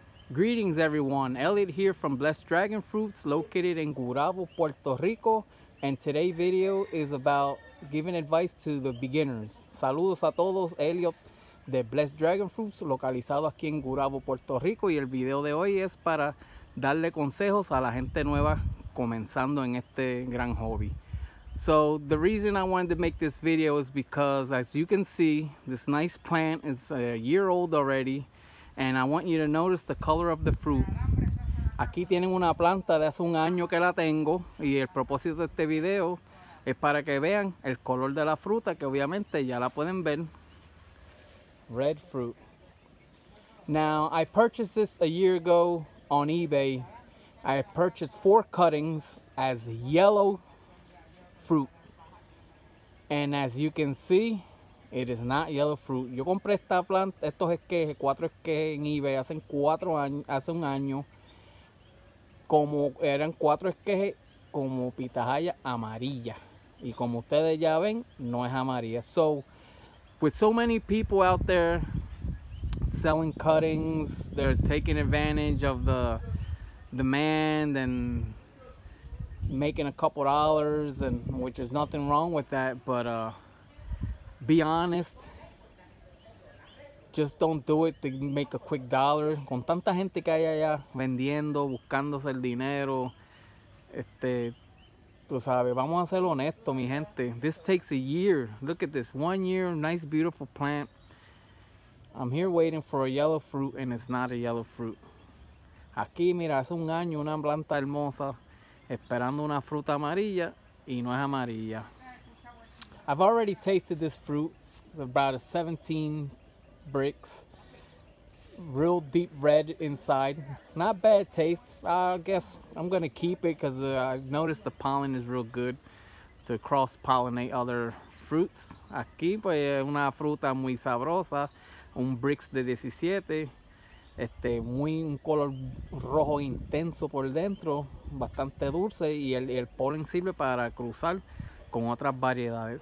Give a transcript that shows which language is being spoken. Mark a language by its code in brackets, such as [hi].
[en] Greetings everyone, Elliot here from Blessed Dragon Fruits located in Gurabo, Puerto Rico, and today's video is about giving advice to the beginners. [es] Saludos a todos, Elliot de Blessed Dragon Fruits localizado aquí en Gurabo, Puerto Rico, y el video de hoy es para darle consejos a la gente nueva comenzando en este gran hobby. [en] So the reason I wanted to make this video is because, as you can see, this nice plant is a year old already. And I want you to notice the color of the fruit. [es] Aquí tienen una planta de hace un año que la tengo, y el propósito de este video es para que vean el color de la fruta, que obviamente ya la pueden ver. [en] Red fruit. Now, I purchased this a year ago on eBay. I purchased 4 cuttings as yellow fruit. And as you can see, it is not yellow fruit. [es] Yo compré esta planta, estos esquejes, 4 esquejes en eBay hace un año. Como eran 4 esquejes como pitahaya amarilla. Y como ustedes ya ven, no es amarilla. [en] So, with so many people out there selling cuttings, they're taking advantage of the demand and making a couple dollars, and which is nothing wrong with that, but be honest, just don't do it to make a quick dollar. [es] Con tanta gente que hay allá vendiendo, buscándose el dinero, tú sabes, vamos a ser honestos, mi gente. [en] This takes a year. Look at this, 1 year, nice, beautiful plant. I'm here waiting for a yellow fruit and it's not a yellow fruit. [es] Aquí, mira, hace un año una planta hermosa esperando una fruta amarilla y no es amarilla. [en] I've already tasted this fruit, about 17 bricks, real deep red inside. Not bad taste. I guess I'm gonna keep it because I've noticed the pollen is real good to cross-pollinate other fruits. [es] Aquí pues una fruta muy sabrosa, un bricks de 17, muy un color rojo intenso por dentro, bastante dulce, y el polen sirve para cruzar con otras variedades.